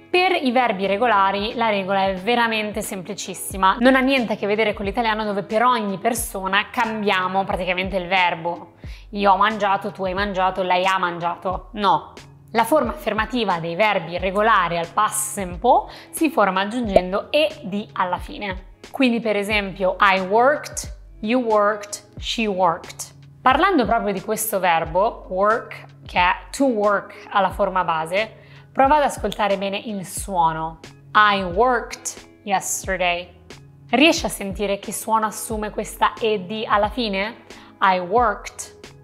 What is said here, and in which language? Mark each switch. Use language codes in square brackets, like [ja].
[it] Per i verbi regolari la regola è veramente semplicissima, non ha niente a che vedere con l'italiano dove per ogni persona cambiamo praticamente il verbo. Io ho mangiato, tu hai mangiato, lei ha mangiato. No. La forma affermativa dei verbi regolari al past simple si forma aggiungendo ed alla fine. Quindi per esempio [en] I worked, you worked, she worked. [it] Parlando proprio di questo verbo work, che è to work alla forma base, prova ad ascoltare bene il suono. [en] I worked yesterday. [it] Riesci a sentire che suono assume questa ed alla fine? [en] I worked.